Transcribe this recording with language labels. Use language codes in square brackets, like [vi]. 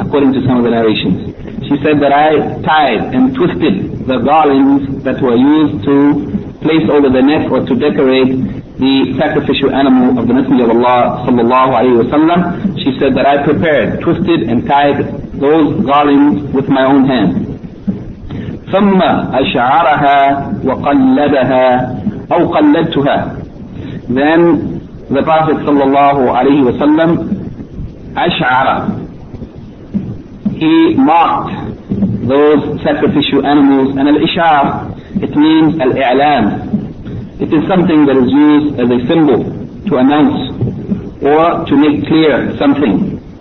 [en] According to some of the narrations, she said that I tied and twisted the garlands that were used to place over the neck or to decorate the sacrificial animal of the Messenger of Allah صلى الله عليه وسلم. She said that I prepared, twisted and tied those garlands with my own hand. [ar] ثم أشعرها وقلدها أو قلدتها. [en] Then the Prophet صلى الله عليه وسلم أشعر, he marked those sacrificial animals. And al-ishar, it means al-i'lam. It is something that is used as a symbol to announce or to make clear something.